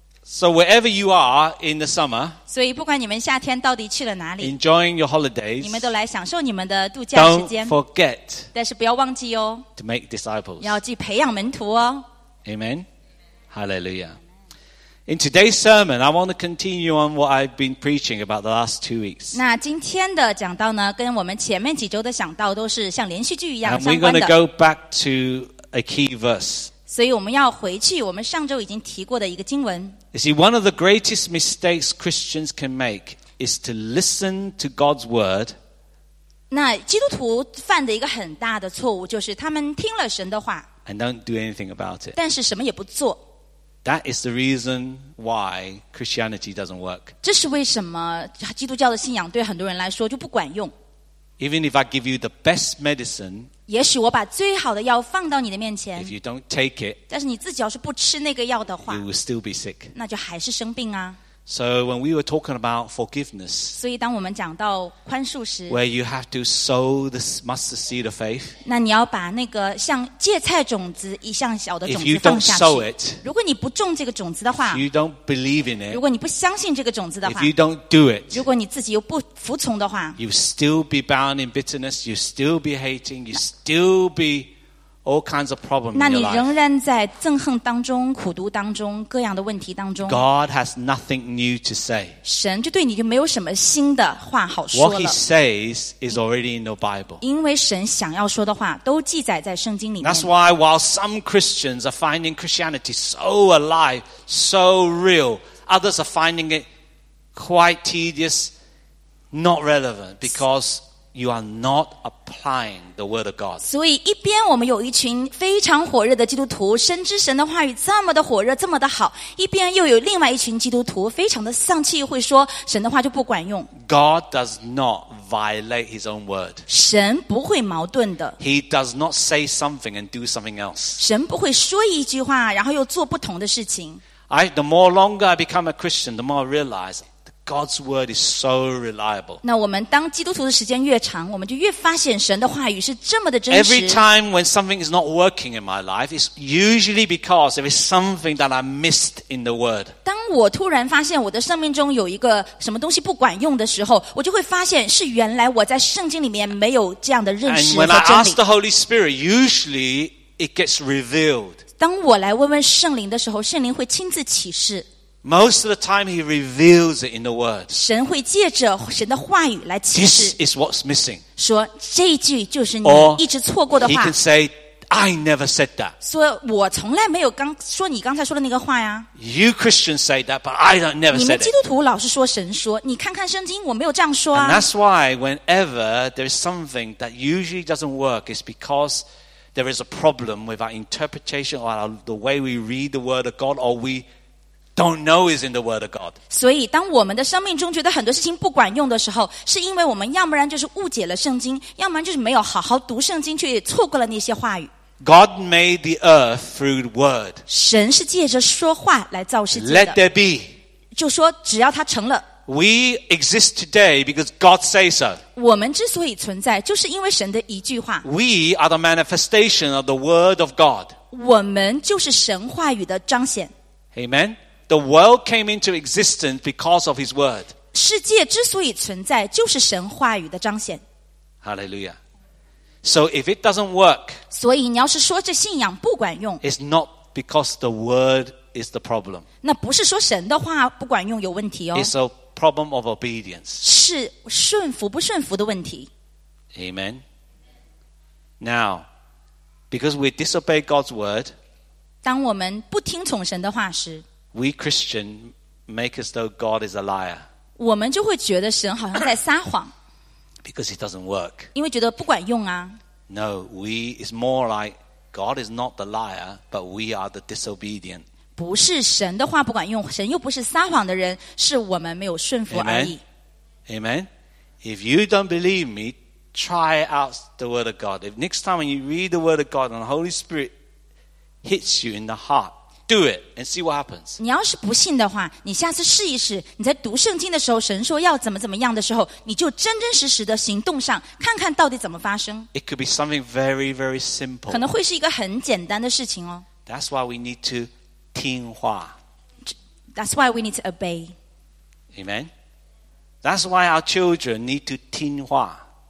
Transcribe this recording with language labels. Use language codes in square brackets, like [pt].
[en] So wherever you are in the summer, [zh] 所以不管你们夏天到底去了哪里 [en] ，enjoying your holidays, [zh] 你们都来享受你们的度假时间。 [en] Don't forget, [zh] 但是不要忘记哦 [en] ，to make disciples, [zh] 要去培养门徒哦。 [en] Amen, Hallelujah. In today's sermon, I want to continue on what I've been preaching about the last 2 weeks. [zh] 那今天的讲道呢，跟我们前面几周的讲道都是像连续剧一样相关的。 [en] And we're going to go back to a key verse. [zh] 所以我们要回去我们上周已经提过的一个经文。 [en] You see, one of the greatest mistakes Christians can make is to listen to God's word. [zh] 那基督徒犯的一个很大的错误就是他们听了神的话 [en] and don't do anything about it. [zh] 但是什么也不做。 [en] That is the reason why Christianity doesn't work. [zh] 这是为什么基督教的信仰对很多人来说就不管用。 [en] Even if I give you the best medicine, [zh] 也许我把最好的药放到你的面前 [en] if you don't take it, [zh] 但是你自己要是不吃那个药的话 [en] you will still be sick. [zh] 那就还是生病啊。 [en] So when we were talking about forgiveness, [zh] 所以当我们讲到宽恕时 [en] where you have to sow the mustard seed of faith, [zh] 那你要把那个像芥菜种子一项小的种子 [en] if you don't sow it, [zh] 如果你不种这个种子的话 [en] if you don't believe in it, [zh] 如果你不相信这个种子的话 [en] if you don't do it, [zh] 如果你自己又不服从的话 [en] you still be bound in bitterness, you still be hating, you still be all kinds of problems in your life. [zh] 那你仍然在憎恨当中、苦读当中、各样的问题当中。 [en] God has nothing new to say. [zh] 神就对你就没有什么新的话好说了。 [en] What he says is already in the Bible. [zh] 因为神想要说的话都记载在圣经里面。 [en] That's why while some Christians are finding Christianity so alive, so real, others are finding it quite tedious, not relevant, because you are not applying the word of God. [zh] 所以一边我们有一群非常火热的基督徒，深知神的话语这么的火热，这么的好，一边又有另外一群基督徒非常的丧气，会说神的话就不管用。 [en] God does not violate his own word. [zh] 神不会矛盾的。 [en] He does not say something and do something else. [zh] 神不会说一句话，然后又做不同的事情。 [en] The more longer I become a Christian, the more I realize God's word is so reliable. [zh] 那我们当基督徒的时间越长，我们就越发现神的话语是这么的真实。 [en] Every time when something is not working in my life, it's usually because there is something that I missed in the word. [zh] 当我突然发现我的生命中有一个什么东西不管用的时候，我就会发现是原来我在圣经里面没有这样的认识和真理。 [en] And when I ask the Holy Spirit, usually it gets revealed. [zh] 当我来问问圣灵的时候，圣灵会亲自启示。 [en] Most of the time, he reveals it in the word. [zh] 神会借着神的话语来启示。 [en] This is what's missing. [zh] 说这一句就是你一直错过的话。 [en] Or he can say, I never said that. [zh] 说我从来没有刚说你刚才说的那个话呀。 [en] You Christians say that, but I don't never said it. [zh] 你们基督徒老是说神说，你看看圣经，我没有这样说啊。 [en] And that's why whenever there is something that usually doesn't work, it's because there is a problem with our interpretation or the way we read the word of God, or we don't know is in the word of God. [zh] 所以当我们的生命中觉得很多事情不管用的时候，是因为我们要不然就是误解了圣经，要不然就是没有好好读圣经，却错过了那些话语。 [en] God made the earth through the word. [zh] 神是借着说话来造世界的。 [en] Let there be. [zh] 就说只要它成了。 [en] We exist today because God says so. [zh] 我们之所以存在，就是因为神的一句话。 [en] We are the manifestation of the word of God. [zh] 我们就是神话语的彰显。 [en] Amen. The world came into existence because of His word. [zh] 世界之所以存在，就是神话语的彰显。 [en] Hallelujah. So if it doesn't work, [zh] 所以你要是说这信仰不管用， [en] it's not because the word is the problem. [zh] 那不是说神的话不管用有问题哦。 [en] It's a problem of obedience. [zh] 是顺服不顺服的问题。 [en] Amen. Now, because we disobey God's word, [zh] 当我们不听从神的话时， [en] We Christian make as though God is a liar. [zh] 我们就会觉得神好像在撒谎。 [en] Because it doesn't work. [zh] 因为觉得不管用啊。 [en] No, we is more like God is not the liar, but we are the disobedient. [zh] 不是神的话不管用，神又不是撒谎的人，是我们没有顺服而已。 [en] Amen. Amen. If you don't believe me, try out the Word of God. If next time when you read the Word of God and the Holy Spirit hits you in the heart, do it and see what happens. [zh] 你要是不信的话，你下次试一试。你在读圣经的时候，神说要怎么怎么样的时候，你就真真实实的行动上，看看到底怎么发生。 [en] It could be something very, very simple. [zh] 可能会是一个很简单的事情哦。 [en] That's why we need to [zh] 听话。 [en] That's why we need to obey. Amen. That's why our children need to [zh] 听话。